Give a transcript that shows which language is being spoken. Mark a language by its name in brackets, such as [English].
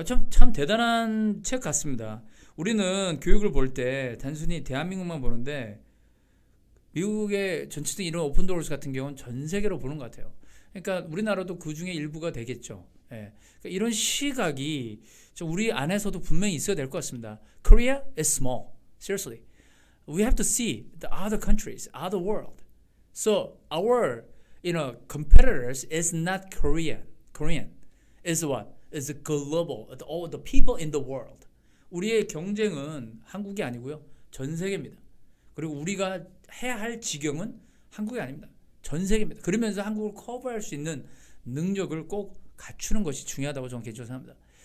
[Korean] 참 대단한 책 같습니다. 우리는 교육을 볼때 단순히 대한민국만 보는데 미국의 전체적인 이런 오픈도어스 같은 경우는 전 세계로 보는 것 같아요. 그러니까 우리나라도 그 중에 일부가 되겠죠. 예. 그러니까 이런 시각이 우리 안에서도 분명히 있어야 될것 같습니다. [English] Korea is small. Seriously. We have to see the other countries, other world. So our, competitors is not Korean. Korean is what? Is global. All the people in the world. [Korean] 우리의 경쟁은 한국이 아니고요. 전 세계입니다. 그리고 우리가 해야 할 지경은 한국이 아닙니다. 전 세계입니다. 그러면서 한국을 커버할 수 있는 능력을 꼭 갖추는 것이 중요하다고 저는 개인적으로 생각합니다.